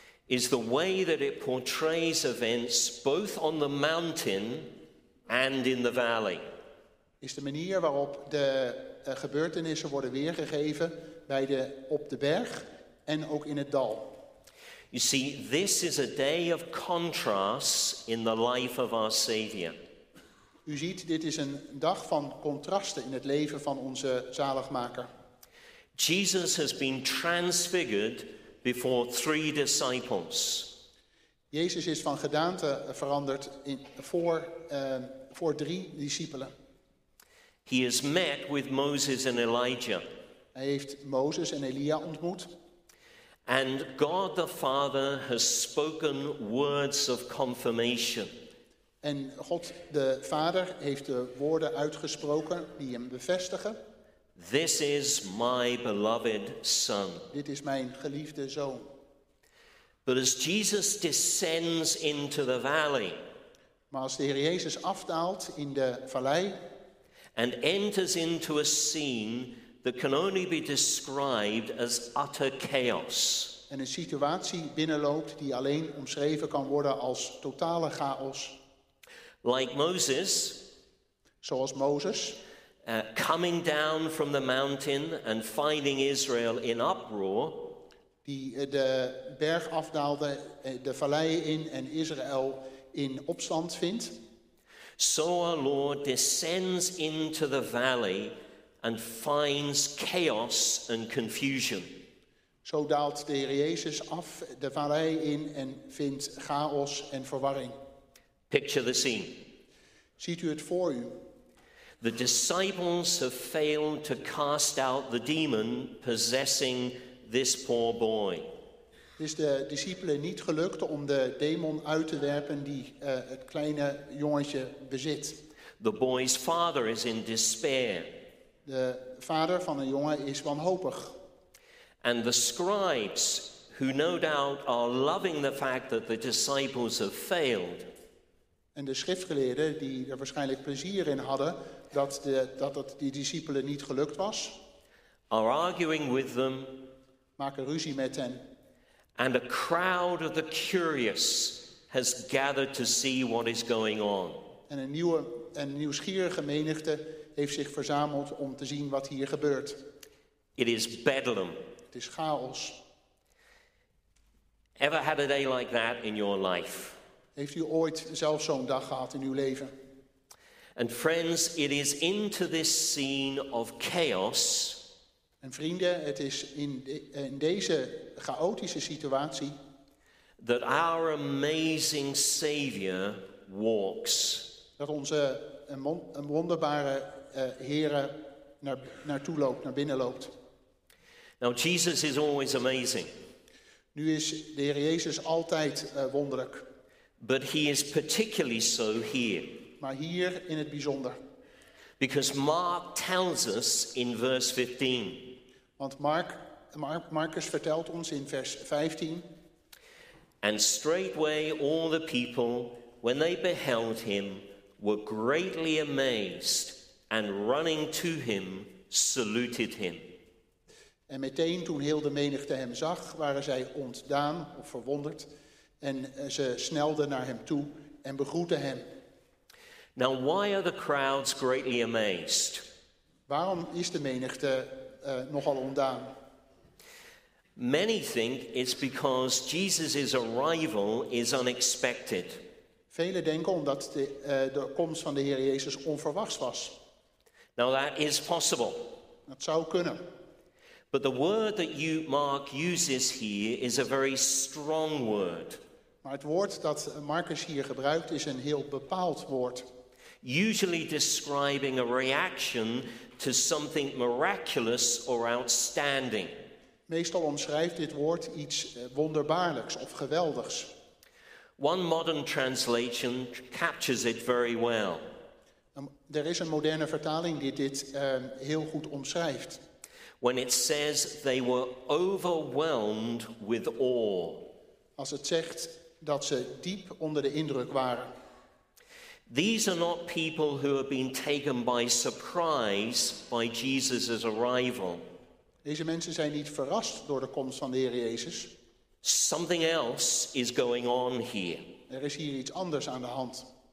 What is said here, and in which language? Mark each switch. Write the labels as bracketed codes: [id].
[en] is the way that it portrays events both on the mountain and in the valley. [nl] Is de manier waarop de gebeurtenissen worden weergegeven bij de op de berg en ook in het dal. [en] You see, this is a day of contrasts in the life of our Savior. [nl] U ziet, dit is een dag van contrasten in het leven van onze zaligmaker. [en] Jesus has been transfigured before three disciples. [nl] Jezus is van gedaante veranderd voor drie discipelen. [en] He has met with Moses and Elijah. [nl] Hij heeft Mozes en Elia ontmoet. [en] And God the Father has spoken words of confirmation. [nl] En God de Vader heeft de woorden uitgesproken die hem bevestigen. [en] This is my beloved son. [nl] Dit is mijn geliefde zoon. [en] But as Jesus descends into the valley. [nl] Maar als de Heer Jezus afdaalt in de vallei. [en] And enters into a scene that can only be described as utter chaos. [nl] En een situatie binnenloopt die alleen omschreven kan worden als totale chaos. [en] Like Moses. [nl] Zoals Mozes. [en] Coming down from the mountain and finding Israel in uproar. [nl] Die de berg afdaalde, de vallei in en Israël in opstand vindt. [en] So our Lord descends into the valley and finds chaos and confusion. [nl] Zo daalt de Heer Jezus af de vallei in en vindt chaos en verwarring. [en] Picture the scene. [nl] Ziet u het voor u? [en] The disciples have failed to cast out the demon possessing this poor boy. [nl] Is de discipelen niet gelukt om de demon uit te werpen die het kleine jongetje bezit? [en] The boy's father is in despair. [nl] De vader van de jongen is wanhopig. [en] And the scribes, who no doubt are loving the fact that the disciples have failed. [nl] En de schriftgeleerden die er waarschijnlijk plezier in hadden dat die discipelen niet gelukt was. [en] Are arguing with them. [nl] Maken ruzie met hen. [en] And a crowd of the curious has gathered to see what is going on. [nl] En een nieuwsgierige menigte heeft zich verzameld om te zien wat hier gebeurt. [en] It is bedlam. [nl] Het is chaos. [en] Ever had a day like that in your life? [nl] Heeft u ooit zelf zo'n dag gehad in uw leven? [en] And friends, it is into this scene of chaos. [nl] En vrienden, het is in deze chaotische situatie [en] that our amazing Savior walks. [nl] Dat onze wonderbare Here naartoe loopt, naar binnen loopt. [en] Now Jesus is always amazing. [nl] Nu is de Heer Jezus altijd wonderlijk. [en] But he is particularly so here. [nl] Maar hier in het bijzonder. [en] Because Mark tells us in verse 15. [nl] Want Marcus vertelt ons in vers 15. [en] And straightway all the people, when they beheld him, were greatly amazed, and running to him, saluted him. [nl] En meteen toen heel de menigte hem zag, waren zij ontdaan of verwonderd, en ze snelden naar hem toe en begroeten hem. [en] Now, why are the crowds greatly amazed? [nl] Waarom is de menigte nogal ontdaan? [en] Many think it's because Jesus' arrival is unexpected. [nl] Velen denken omdat de komst van de Heer Jezus onverwachts was. [en] Now that is possible. [nl] Dat zou kunnen. [en] But the word that Mark uses here is a very strong word. [nl] Maar het woord dat Marcus hier gebruikt is een heel bepaald woord. [en] Usually describing a reaction to something miraculous or outstanding. [nl] Meestal omschrijft dit woord iets wonderbaarlijks of geweldigs. [en] One modern translation captures it very well. [nl] Er is een moderne vertaling die dit heel goed omschrijft. [en] When it says they were overwhelmed with awe. [nl] Als het zegt dat ze diep onder de indruk waren. [en] These are not people who have been taken by surprise by Jesus' arrival. [nl] Deze mensen zijn niet verrast door de komst van de Heer Jezus. [en] Something else is going on here. [nl] Er is hier iets anders aan de hand.